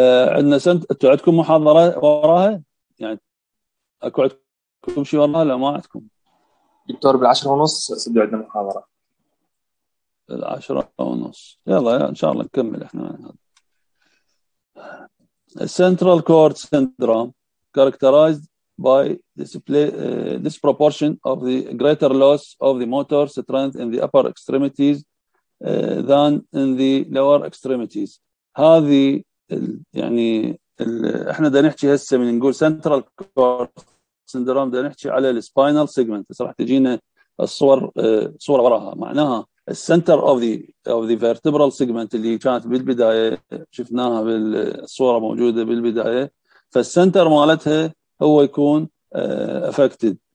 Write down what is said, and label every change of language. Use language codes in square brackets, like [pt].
[ar] عندنا عندكم محاضرة وراها، يعني اكو عندكم شيء وراها؟ لا ما عندكم دكتور. بالعشرة ونص سدوا عندنا محاضرة. العشرة ونص يلا ان شاء الله نكمل احنا. [en] Central cord syndrome characterized by display disproportion of the greater loss of the motor strength in the upper extremities than in the lower extremities. [ar] هذه يعني احنا دا نحكي هسه من نقول سنترال كورت سندروم دا نحكي على السباينال سيجمنت، صراحة تجينا الصور صورة وراها، معناها السنتر اوف ذا فيرتبرال سيجمنت اللي كانت بالبداية شفناها بالصورة موجودة بالبداية، فالسنتر مالتها هو يكون افكتد.